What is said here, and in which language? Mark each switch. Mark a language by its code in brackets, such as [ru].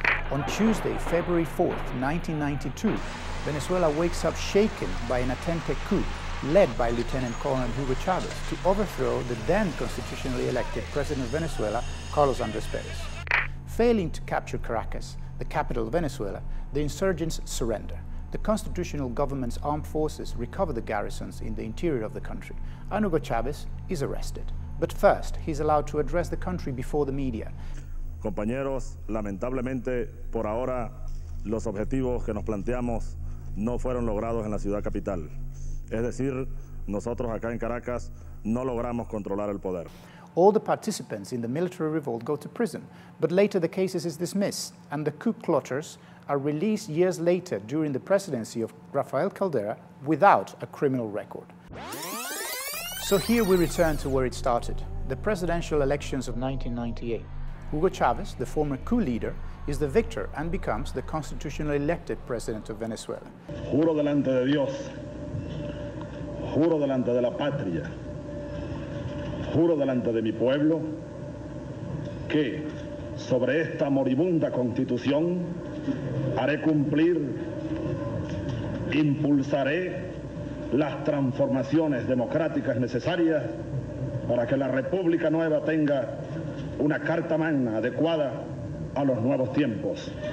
[en] On Tuesday, February 4th, 1992, Venezuela wakes up shaken by an attempted coup led by Lieutenant Colonel Hugo Chavez to overthrow the then constitutionally elected president of Venezuela, Carlos Andrés Pérez. Failing to capture Caracas, the capital of Venezuela, the insurgents surrender. The constitutional government's armed forces recover the garrisons in the interior of the country, and Hugo Chavez is arrested. But first, he's allowed to address the country before the media. [es] Compañeros, lamentablemente, por ahora, los objetivos que nos planteamos no fueron logrados en la ciudad capital. Es decir, nosotros acá en Caracas no logramos controlar el poder. [en] All the participants in the military revolt go to prison, but later the case is dismissed, and the coup plotters are released years later during the presidency of Rafael Caldera without a criminal record. So here we return to where it started, the presidential elections of 1998. Hugo Chavez, the former coup leader, is the victor and becomes the constitutionally elected president of Venezuela. [es] Juro delante de Dios, juro delante de la patria, juro delante de mi pueblo que sobre esta moribunda constitución haré cumplir, impulsaré las transformaciones democráticas necesarias para que la República Nueva tenga una carta magna adecuada a los nuevos tiempos.